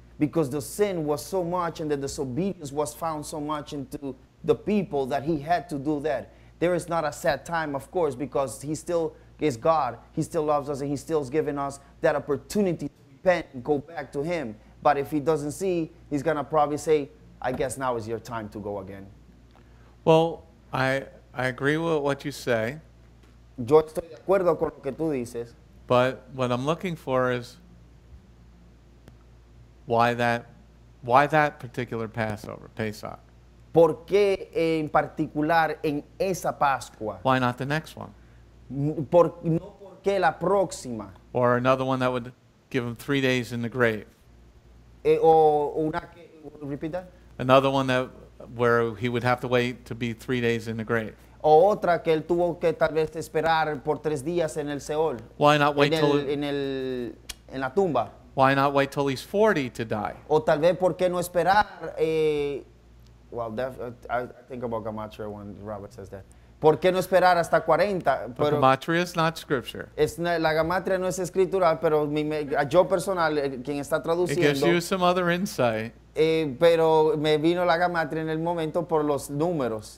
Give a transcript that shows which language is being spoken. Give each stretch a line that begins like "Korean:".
English: Because the sin was so much and the disobedience was found so much into the people that he had to do that. There is not a sad time, of course, because he still is God. He still loves us and he still has given us that opportunity to repent and go back to him. But if he doesn't see, he's going to probably say, I guess now is your time to go again. Well, I agree with what you say.
Spanish: Yo estoy de acuerdo con lo que tú dices.
English: But what I'm looking for is, Why that particular Passover, Pesach?
Spanish: ¿Por qué en particular en esa Pascua?
English: Why not the next one?
Spanish: ¿Por qué la próxima?
English: Or another one that would give him 3 days in the grave. Repeat that? Another one that where he would have to wait to be 3 days in the grave.
Spanish: O otra que él tuvo que tal vez esperar por 3 días en el Seol.
English: Why not wait
Spanish: en
English: till...
Spanish: En la tumba.
English: Why not wait till he's 40 to die?
Spanish: O tal vez por qué no esperar.
English: I think about gematria when Robert says that.
Spanish: ¿Por qué no esperar hasta 40? Pero
English: gematria is not scripture.
Spanish: La gematria no es escritural, pero yo personal, quien está traduciendo.
English: It gives you some other insight.
Spanish: Pero me vino la gematria en el momento por los números.